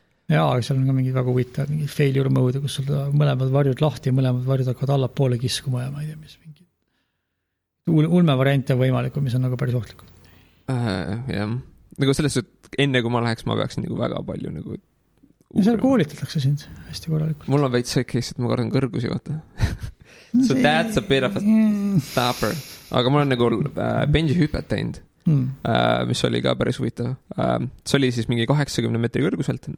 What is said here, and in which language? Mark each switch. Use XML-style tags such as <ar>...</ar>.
<et>Jaa, aga seal on ka mingi väga huvitav mingi failure mode, kus sul mõlemad varjud lahti ja mõlemad varjud hakkavad alla poole kiskuma ja ma ei tea, mis mingi ulme variante on võimalikud, mis on nagu päris ohtlikud. Jah. Nagu selles, et enne kui ma läheks, ma peaksin nagu väga palju nagu uurima. Seal koolitatakse sind hästi korralikult. Mul on väid see case, et ma kardan kõrgusi vaata.</et> <en>So that's a bit of a stopper.</en> <et>Aga ma olen nagu bungee hüpet teinud. Mis oli ka päris huvitav. See oli siis mingi 80 meetri kõrguselt.</et>